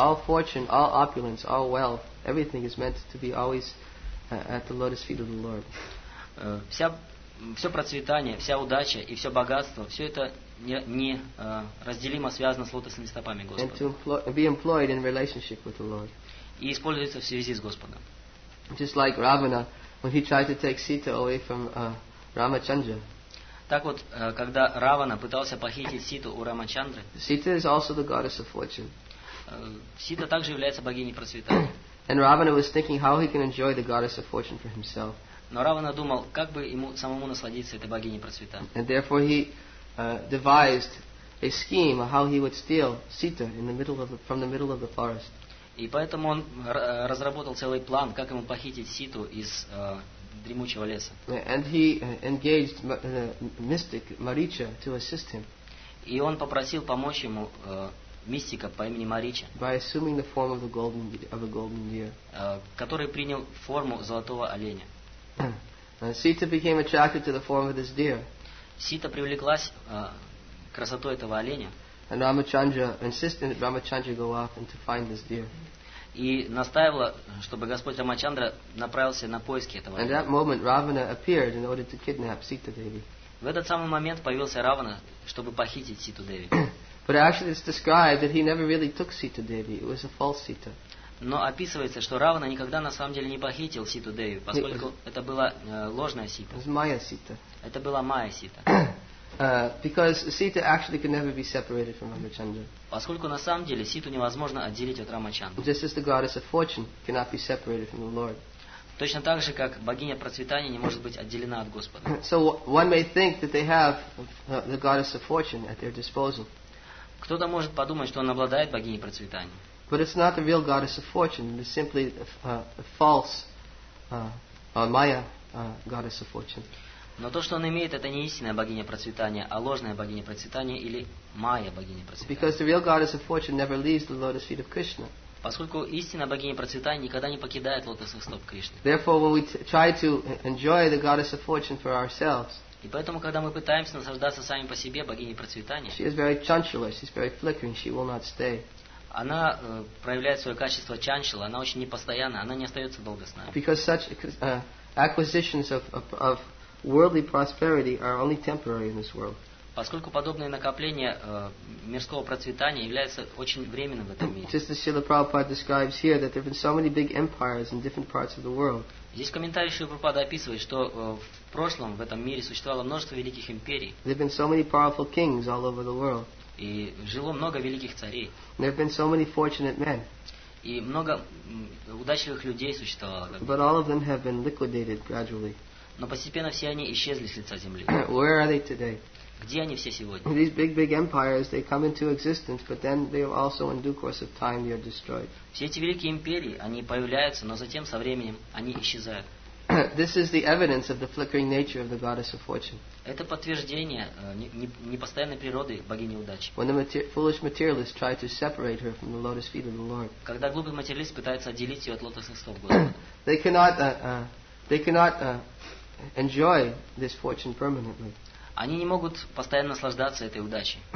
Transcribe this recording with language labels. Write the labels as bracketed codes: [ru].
[en] All fortune, all opulence, all wealth, everything is meant to be always at the lotus feet of the Lord. [ru] Все процветание, вся удача и все богатство, все это не разделимо связано с лотосными стопами Господа. [en] And to be employed in relationship with the Lord. [ru] И используется в связи с Господом. [en] Just like Ravana, when he tried to take Sita away from Ramachandra. [ru] Так вот, когда Равана пытался похитить Ситу у Рамачандры. [en] Sita is also the goddess of fortune. [ru] Сита также является богиней процветания. [en] And Ravana was thinking how he can enjoy the goddess of fortune for himself. [ru] Но Равана думал, как бы ему самому насладиться этой богиней процветания. [en] And therefore he devised a scheme of how he would steal Sita from the middle of the forest. [ru] И поэтому он разработал целый план, как ему похитить Ситу из дремучего леса. [en] And he engaged the mystic Maricha to assist him. [ru] И он попросил помочь ему мистика по имени Марича. [en] By assuming the form of a golden deer. [ru] Который принял форму золотого оленя. [en] Sita became attracted to the form of this deer. [ru] Сита привлеклась красотой этого оленя. [en] And Ramachandra insisted that Ramachandra go off and to find this deer. [ru] И настаивала, чтобы Господь Рамачандра направился на поиски этого. [en] And that moment Ravana appeared in order to kidnap Sita Devi. [ru] В этот самый момент появился Равана, чтобы похитить Ситу Деви. [en] But actually it's described that he never really took Sita Devi. It was a false Sita. [ru] Но описывается, что Равана никогда на самом деле не похитил Ситу Деви, поскольку это была ложная Сита. [en] It was Maya Sita. [ru] Это была Maya Sita. [en] Because Sita actually could never be separated from Ramachandra. [ru] Поскольку на самом деле Ситу невозможно отделить от Рамачандры. [en] Just as the goddess of fortune cannot be separated from the Lord. [ru] Точно так же, как богиня процветания не может быть отделена от Господа. [en] So one may think that they have the goddess of fortune at their disposal. [ru] Кто-то может подумать, что он обладает богиней процветания. [en] But it's not the real goddess of fortune. It's simply a false Maya goddess of fortune. [ru] Но то, что он имеет, это не истинная богиня процветания, а ложная богиня процветания или Майя богиня процветания. [en] Because the real goddess of fortune never leaves the lotus feet of Krishna. [ru] Поскольку истинная богиня процветания никогда не покидает лотосных стоп Кришны. [en] Therefore, when we try to enjoy the goddess of fortune for ourselves. [ru] И поэтому, когда мы пытаемся наслаждаться сами по себе богиней процветания. [en] She is very chanchala. She is very flickering. She will not stay. [ru] Она проявляет свое качество чанчала. Она очень непостоянна. Она не остается долго с нами. [en] Because such acquisitions of worldly prosperity are only temporary in this world. [ru] Поскольку подобные накопления мирского процветания являются очень временным в этом мире. [en] Just as Srila Prabhupada describes here that there have been so many big empires in different parts of the world. [ru] Здесь комментарий Шрилы Прабхупады описывает, что в прошлом в этом мире существовало множество великих империй. [en] There have been so many powerful kings all over the world. [ru] И жило много великих царей. [en] There have been so many fortunate men. [ru] И много удачливых людей существовало. [en] But all of them have been liquidated gradually. [ru] Но постепенно все они исчезли с лица земли. [en] Where are they today? [ru] Где они все сегодня? [en] These big empires, they come into existence, but then they also, in due course of time, they are destroyed. [ru] Все эти великие империи, они появляются, но затем со временем они исчезают. [en] This is the evidence of the flickering nature of the goddess of fortune. [ru] Это подтверждение непостоянной природы богини удачи. [en] When the foolish materialists try to separate her from the lotus feet of the Lord. [ru] Когда глупый материалист пытается отделить ее от лотосных стоп Господа. [en] They cannot enjoy this fortune permanently. [ru] Они не могут постоянно наслаждаться этой удачей.